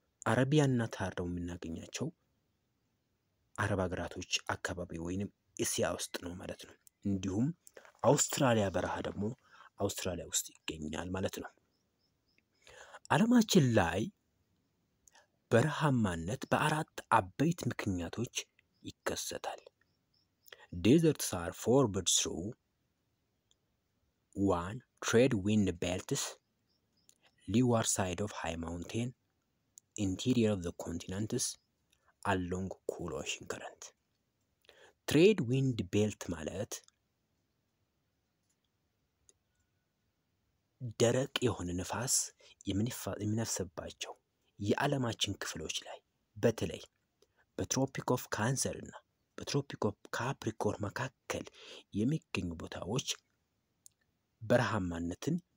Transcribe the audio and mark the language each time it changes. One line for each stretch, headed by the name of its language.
Amharic: አረቢያና ታር ደግሞ የምናገኛቸው አረብ አገራቶች አካባቢ ወይንም እስያ ውስጥ ነው ማለት ነው. እንዲሁም አውስትራሊያ በረሃ ደግሞ አውስትራሊያ ውስጥ ይገኛል ማለት ነው. ዓለማችን ላይ በረሃማነት በአራት አበይት ምክንያቶች ይከሰታል.
English: Deserts are formed through 1. Trade wind belts, leeward side of high mountain, interior of the continents, along cool ocean current.
Amharic: ትሬድ ዊንድ ቤልት ማለት ደረቅ የሆነ ንፋስ የሚነፍስባቸው የዓለማችን ክፍሎች ላይ በተለይ በትሮፒክ ኦፍ ካንሰር እና በትሮፒክ ኦፍ ካፕሪኮር መካከል የሚገኙ ቦታዎች በረሃማነትን